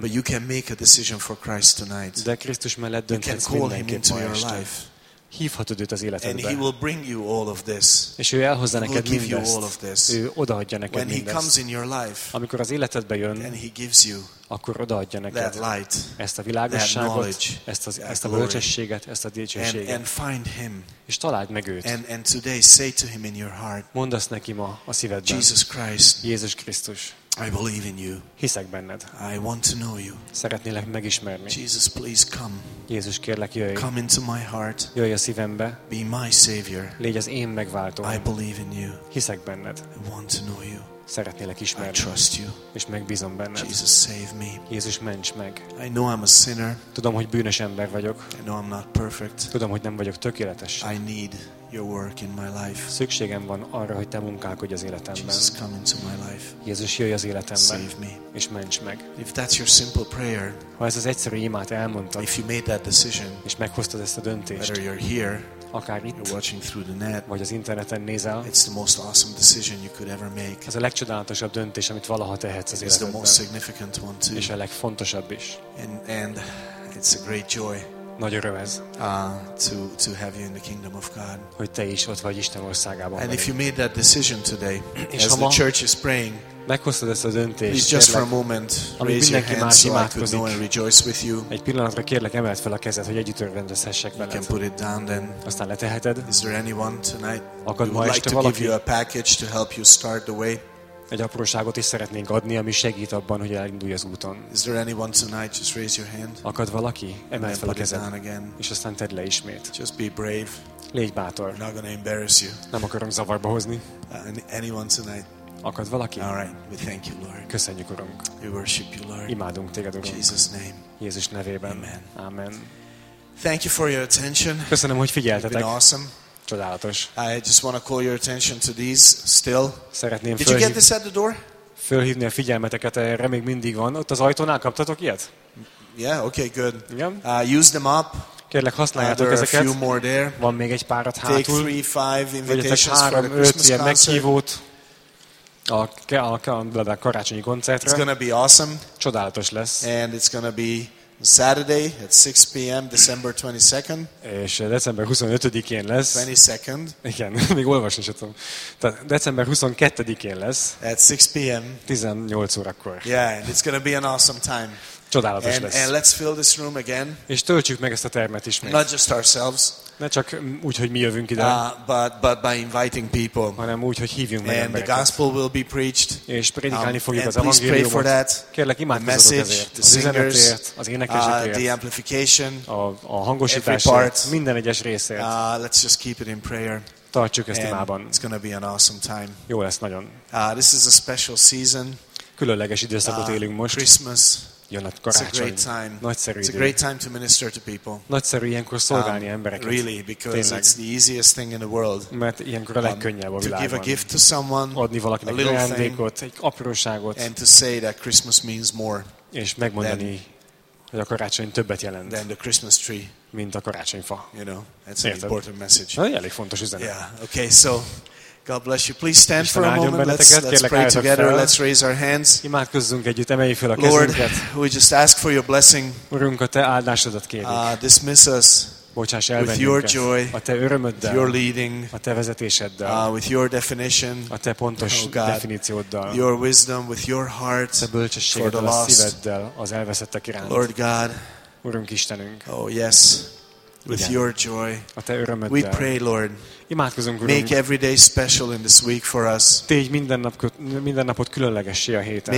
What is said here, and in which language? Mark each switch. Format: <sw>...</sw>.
<en>but you can make a decision for Christ tonight.</en> <hu>De Krisztus mellett dönthetsz mindenképp ma este. Hívhatod őt az életedbe.</hu> <en>And he will bring you all of this.</en> <hu>És ő elhozza neked mindezt.</hu> <en>He will give you all of this.</en> <hu>Ő odaadja neked</hu> <en>when</en> <hu>mindezt.</hu> <en>He comes in your life,</en> <hu>amikor az életedbe jön,</hu> <en>then he gives you</en> <hu>akkor odaadja neked</hu> <en>that light,</en> <hu>ezt a világosságot,</hu> <en>that</en> <hu>ezt, az, ezt a bölcsességet, ezt a dicsőséget.</hu> <en>And find him.</en> <hu>És találd meg őt.</hu> <en>And today say to him in your heart,</en> <hu>mondd azt neki ma a szívedben.</hu> <en>Jesus Christ,</en> <hu>Jézus Krisztus.</hu> <en>I believe in you.</en> <hu>Hiszek benned.</hu> <en>I want to know you.</en> <hu>Szeretnélek megismerni.</hu> <en>Jesus, please come.</en> <hu>Jézus, kérlek, jöjj.</hu> <en>Come into my heart.</en> <hu>Jöjj a szívembe.</hu> <en>Be my savior.</en> <hu>Légy az én megváltóm.</hu> <en>I believe in you.</en> <hu>Hiszek benned.</hu> <en>I want to know you.</en> <hu>Szeretnélek ismerni.</hu> <en>I trust you.</en> <hu>És megbízom benned.</hu> <en>Jesus, save me.</en> <hu>Jézus, ments meg.</hu> <en>I know I'm a sinner.</en> <hu>Tudom, hogy bűnös ember vagyok.</hu> <en>I know I'm not perfect.</en> <hu>Tudom, hogy nem vagyok tökéletes.</hu> <en>I need your work in my life.</en> <hu>Szükségem van arra, hogy te munkálkodj az életemben.</hu> <en>Jesus, come into my life.</en> <hu>Jézus, jöjj az életemben.</hu> <en>Save me.</en> <hu>És ments meg.</hu> <en>If that's your simple prayer,</en> <hu>ha ez az egyszerű imát elmondtad,</hu> <en>if you made that decision,</en> <hu>és meghoztad ezt a döntést,</hu> <en>whether you're here,</en> <hu>akár itt,</hu> <en>you're watching through the net,</en> <hu>vagy az interneten nézel,</hu> <en>it's the most awesome decision you could ever make.</en> <hu>Ez a legcsodálatosabb döntés, amit valaha tehetsz az</hu> <en>it's</en> <hu>életedben.</hu> <en>The most significant one too.</en> <hu>És a legfontosabb is.</hu> <en>And it's a great joy.</en> <hu>nagy öröm ez.</hu> <en>To have you in the kingdom of God.</en> <hu>Hogy te is ott vagy Isten országában.</hu> <en>And if you made that decision today, as the church is praying,</en> <hu>meghoztad ezt a döntést,</hu> <en>please just for a moment raise your hands so I could know and rejoice with you.</en> <hu>Egy pillanatra kérlek, emeld fel a kezed, hogy együtt örvendezhessek veled.</hu> <en>You can put it down then.</en> <hu>Aztán leteheted.</hu> <en>Is there anyone tonight who would like to give you a package to help you start the way?</en> <hu>Egy apróságot is szeretnénk adni, ami segít abban, hogy elindulj az úton.</hu> <en>Is there anyone tonight? Just raise your hand.</en> <hu>Akad valaki? Emeld fel a kezed.</hu> <en>Again.</en> <hu>És aztán tedd le ismét.</hu> <en>Just be brave.</en> <hu>Légy bátor.</hu> <en>I'm not gonna embarrass you.</en> <hu>Nem akarom zavarba hozni.</hu> <en>Anyone tonight?</en> <hu>Akad valaki?</hu> <en>All right. We thank you, Lord.</en> <hu>Köszönjük, Urunk.</hu> <en>We worship you, Lord.</en> <hu>Imádunk téged, Urunk.</hu> <en>Jesus name.</en> <hu>Jézus nevében.</hu> <en>Amen.</en> <hu>Amen.</hu> <en>Thank you for your attention.</en> <hu>Köszönöm, hogy figyeltetek.</hu> <en>You've been awesome.</en> <hu>Csodálatos.</hu> <en>I just want to call your attention to these still.</en> <hu>Szeretném</hu> <en>Did you get this at the door?</en> <hu>Fölhívni a figyelmeteket, erre még mindig van. Ott az ajtónál kaptatok ilyet?</hu> <en>Yeah, okay, good. Yeah. Use them up.</en> <hu>Kérlek, használjátok ezeket.</hu> <en>A few more there.</en> <hu>Van még egy párat</hu> <en>Take</en> <hu>hátul.</hu> <en>Take 3-5 invitations for the Christmas concert.</en> <hu>Meghívót. A karácsonyi koncertre.</hu> <en>It's gonna be awesome.</en> <hu>Csodálatos lesz.</hu> <en>And it's gonna be Saturday at 6 p.m. December 22nd.</en> <hu>És december 25-én lesz.</hu> <en>22nd.</en> <hu>Igen, még olvasni sem tudom. Tehát december 22-én lesz.</hu> <en>At 6 p.m.</en> <hu>18 órakor.</hu> <en>Yeah, and it's gonna be an awesome time.</en> <hu>Csodálatos</hu> <en>and,</en> <hu>lesz.</hu> <en>And let's fill this room again.</en> <hu>És töltsük meg ezt a termet ismét.</hu> <en>Not just ourselves.</en> <hu>Ne csak úgy, hogy mi jövünk ide.</hu> <en>But by inviting people.</en> <hu>Hanem úgy, hogy hívjunk</hu> <en>and</en> <hu>meg embereket.</hu> <en>The gospel will be preached.</en> <hu>És prédikálni fogjuk az evangéliumot.</hu> <en>Please pray for that.</en> <hu>Kérlek, imádkozzatok</hu> <en>message,</en> <hu>ezért.</hu> <en>The singers,</en> <hu>az üzenetért, az énekesekért.</hu> <en>The amplification.</en> <hu>A hangosításért. Minden egyes részért.</hu> <en>Let's just keep it in prayer.</en> <hu>Tartsuk ezt imában.</hu> <en>It's gonna be an awesome time.</en> <hu>Jó lesz nagyon.</hu> <en>This is a special season.</en> <hu>Különleges időszakot élünk most.</hu> <en>Christmas.</en> <hu>Jön a karácsony.</hu> <en>It's a great time.</en> <hu>Nagyszerű idő.</hu> <en>It's a great time to minister to people.</en> <hu>Nagyszerű ilyenkor szolgálni embereket.</hu> <en>Really, because</en> <hu>tényleg.</hu> <en>It's the easiest thing in the world.</en> <hu>Mert ilyenkor a legkönnyebb a világban.</hu> <en>To give a gift to someone,</en> <hu>adni valakinek a ajándékot,</hu> <en>thing,</en> <hu>egy apróságot.</hu> <en>And to say that Christmas means more.</en> <hu>És megmondani, hogy a karácsony többet jelent.</hu> <en>Than the Christmas tree.</en> <hu>Mint a karácsonyfa.</hu> <en>You know, that's an important message.</en> <hu>Na, elég fontos üzenet.</hu> <en>Yeah, okay, so God bless you. Please stand</en> <hu>Isten</hu> <en>for a moment. Let's pray together.</en> <hu>Fel.</hu> <en>Let's raise our hands.</en> <hu>Imádkozzunk együtt, emeljük fel a</hu> <en>Lord,</en> <hu>kezünket.</hu> <en>We just ask for your blessing.</en> <hu>Urunk, a te áldásodat kérjük.</hu> <en>Dismiss us.</en> <hu>Bocsáss el</hu> <en>with your joy,</en> <hu>a te örömöddel,</hu> <en>with your leading,</en> <hu>a te vezetéseddel,</hu> <en>with your definition,</en> <hu>a te pontos definícióddal,</hu> <en>your wisdom, with your heart,</en> <hu>a bölcsességeddel, a szíveddel, az elveszettek iránt.</hu> <en>Lord God,</en> <hu>Urunk Istenünk.</hu> <en>Oh yes. With your joy,</en> <hu>a te örömöddel.</hu> <en>We pray, Lord.</en> <hu>Imádkozunk, Urunk.</hu> <en>Make every day special in this week for us.</en> <hu>Tégy minden napot különlegessé a héten.</hu>